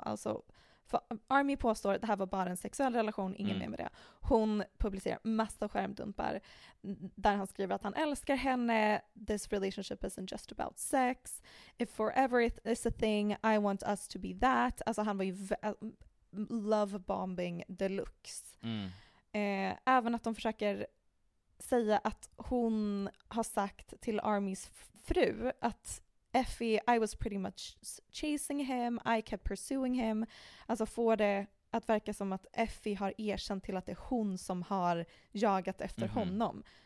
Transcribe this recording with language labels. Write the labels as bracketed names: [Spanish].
[Swedish] Alltså för Army påstår att det här var bara en sexuell relation, ingen mer med det. Hon publicerar massa skärmdumpar där han skriver att han älskar henne. [English] This relationship isn't just about sex. If forever is a thing, I want us to be that. [Swedish] Alltså han var ju lovebombing deluxe. Även att de försöker säga att hon har sagt till Armys fru att Effie, [English] I was pretty much chasing him, I kept pursuing him. [Swedish] Alltså får det att verka som att Effie har erkänt till att det är hon som har jagat efter honom.